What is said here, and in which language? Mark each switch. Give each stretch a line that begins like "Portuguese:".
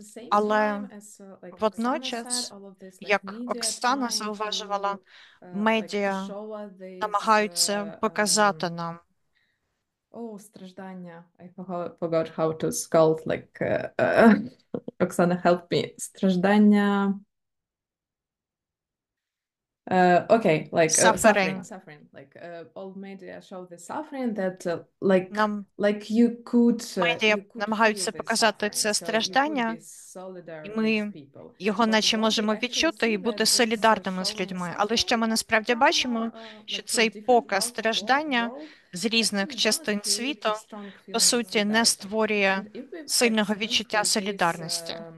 Ukrainian: Але водночас, як Оксана зауважувала, медіа намагаються показати нам, страждання.
English: I forgot how to scold, like, Оксана, help me.
Ukrainian: Страждання.
English: Okay, like suffering. Like all media show the suffering that like you could.
Ukrainian: Медіа намагаються показати це страждання, і ми його наче можемо відчути і бути солідарними з людьми. Але що ми насправді бачимо, що цей показ страждання з різних частин світу, по суті, не створює сильного відчуття солідарності.